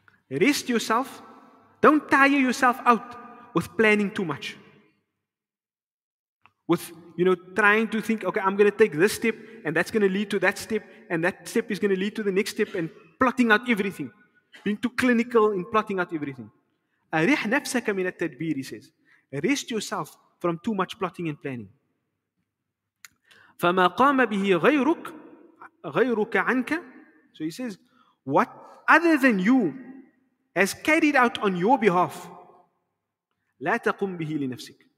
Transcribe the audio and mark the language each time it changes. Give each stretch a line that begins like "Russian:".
English: Rest yourself. Don't tire yourself out with planning too much. With, you know, trying to think, okay, I'm going to take this step, and that's going to lead to that step, and that step is going to lead to the next step, and plotting out everything. Being too clinical in plotting out everything.
Arabic: أَرِحْ نَفْسَكَ مِنَ التَّدْبِيرِ,
English: he says. Rest yourself from too much plotting and planning.
Arabic: فَمَا قَامَ بِهِ غَيْرُكَ عَنْكَ.
English: So he says, what other than you has carried out on your behalf,
Arabic: لا تقوم به لنفسك.